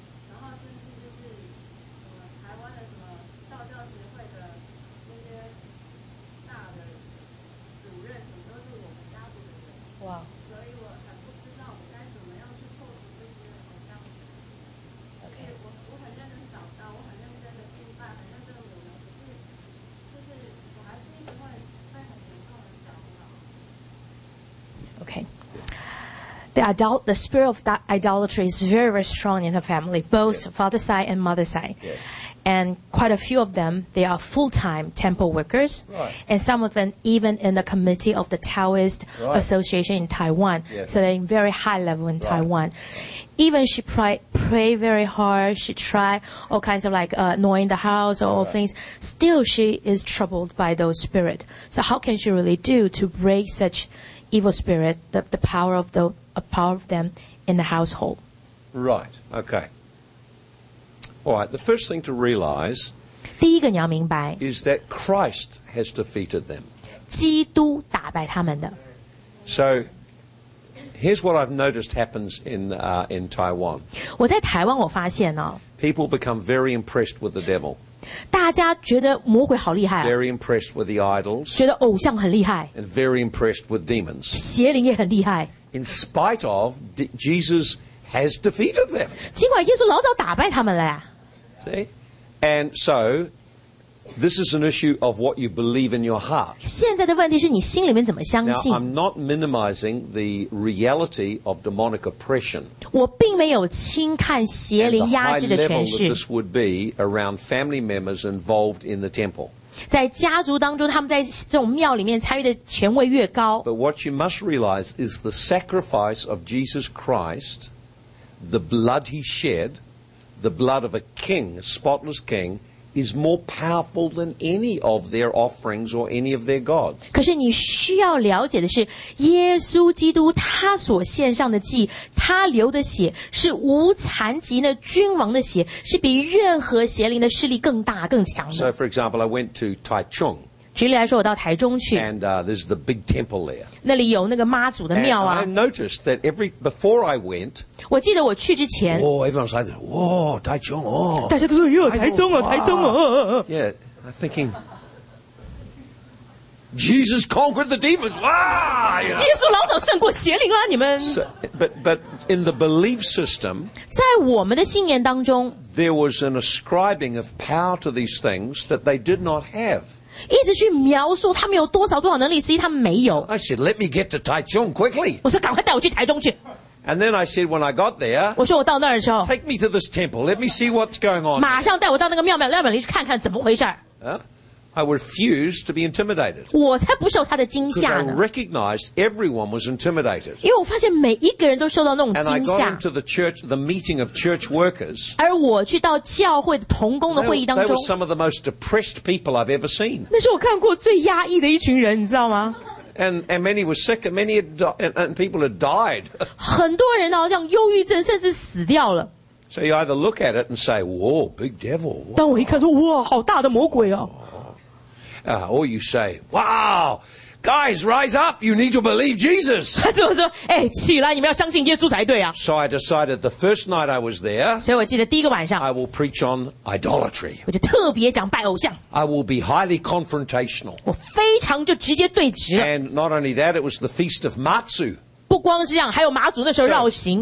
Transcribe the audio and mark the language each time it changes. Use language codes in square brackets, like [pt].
[zh] 然后甚至就是什么台湾的什么道教协会的那些大的主任，什么都是我们家族的人。哇！所以我很不知道我该怎么样去破除这些偶像。 OK。我很认真找到，我很认真的敬拜，很认真的努力，就是我还是一直会。 [en] Okay. The spirit of idolatry is very, very strong in the family, both father's side and mother's side. Yes. And quite a few of them, they are full-time temple workers. Right. And some of them even in the committee of the Taoist right. Association in Taiwan. Yes. So they're in very high level in Taiwan. Even she pray very hard. She try all kinds of like annoying the house or all things. Still, she is troubled by those spirit. So how can she really do to break such... evil spirit, the power of them in the household. Right, okay. All right, the first thing to realize [zh] 第一个你要明白 [en] is that Christ has defeated them. [zh] 基督打败他们的 [en] So, here's what I've noticed happens in Taiwan. [zh] 我在台湾我发现哦 [en] People become very impressed with the devil. [zh] 大家觉得魔鬼好厉害、啊、 [en] very impressed with the idols, [zh] 觉得偶像很厉害 [en] and very impressed with demons. [zh] 邪灵也很厉害 [en] In spite of, Jesus has defeated them. [zh] 尽管耶稣老早打败他们了、啊、 [en] See? And so, this is an issue of what you believe in your heart. [zh] 现在的问题是你心里面怎么相信 [en] Now, I'm not minimizing the reality of demonic oppression. [zh] 我并没有轻看邪灵压制的权势 [en] And the high level that this would be around family members involved in the temple. [zh] 在家族当中他们在这种庙里面参与的权位越高 [en] But what you must realize is the sacrifice of Jesus Christ, the blood he shed, the blood of a king, a spotless king,is more powerful than any of their offerings or any of their gods. [zh] 可是你需要了解的是耶稣基督他所献上的祭他流的血是无残疾那君王的血是比任何邪灵的势力更大更强的。 [en] So for example, I went to Taichung. [zh] 举例来说我到台中去。 [en] And there's the big temple there. [zh] 那里有那个妈祖的庙啊。 [en] And I noticed that before I went, [zh] 我记得我去之前 [en] Oh, everyone's like, Oh, Taichung, oh [zh] 大家都说哟台中啊台中啊 [en] Yeah, I'm thinking Jesus conquered the demons Wow [zh] 耶稣老早胜过邪灵了你们 [en] But in the belief system [zh] 在我们的信念当中 [en] There was an ascribing of power to these things that they did not have [zh] 一直去描述他们有多少多少能力实际他们没有 [en] I said, let me get to Taichung quickly [zh] 我说赶快带我去台中去 [en] And then I said, when I got there, [zh] 我说我到那儿的时候 [en] take me to this temple, let me see what's going on. [zh] 马上带我到那个庙里去看看怎么回事。 [en] I refused to be intimidated. [zh] 我才不受他的惊吓呢。 [en] Because I recognized everyone was intimidated. [zh] 因为我发现每一个人都受到那种惊吓。 [en] And I got into the church, the meeting of church workers. [zh] 而我去到教会的同工的会议当中 [en] they were some of the most depressed people I've ever seen. [zh] 那是我看过最压抑的一群人，你知道吗？ [en] And many were sick, and many had and people had died. [zh] 很多人啊，像忧郁症，甚至死掉了。 [en] So you either look at it and say, "Whoa, big devil!" [zh] 当我一看说，哇，好大的魔鬼啊！ [en] Or you say, "Wow, guys, rise up, you need to believe Jesus. [zh] 他怎么说, 欸, 起来, 你们要相信耶稣才对啊。 [en] So I decided the first night I was there, [zh] 所以我记得第一个晚上, [en] I will preach on idolatry. [zh] 我就特别讲拜偶像。 [en] I will be highly confrontational. [zh] 我非常就直接对质。And [en] not only that, it was the Feast of Matsu. [zh] 不光是这样, 还有马祖那时候绕行。